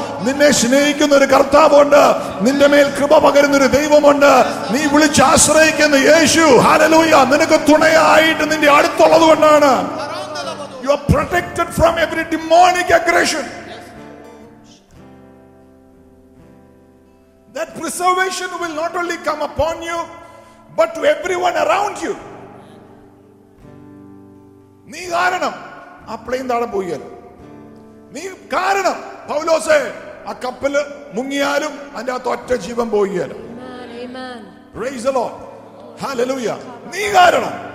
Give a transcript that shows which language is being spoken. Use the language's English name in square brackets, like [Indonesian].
[Malayalam] നിന്നെ സ്നേഹിക്കുന്ന ഒരു കർത്താവുണ്ട്, നിന്റെ മേൽ കൃപ പകരുന്ന ഒരു ദൈവമുണ്ട്, നീ വിളിച്ച് ആശ്രയിക്കുന്ന യേശു, ഹല്ലേലൂയ, നിനക്ക് തുണയായിട്ട് നിന്റെ അടുത്തുള്ളത് കൊണ്ടാണ്. [English] You are protected from every demonic aggression. That preservation will not only come upon you, but to everyone around you. [Malayalam] നീ കാരണം അപ്പളയും താഴെ പോയാൽ, നീ കാരണം പൗലോസെ ആ കപ്പല് മുങ്ങിയാലും അതിന്റെ അകത്ത് ഒറ്റ ജീവൻ പോയാൽ. [English] Praise the Lord. [Malayalam] Hallelujah. നീ കാരണം.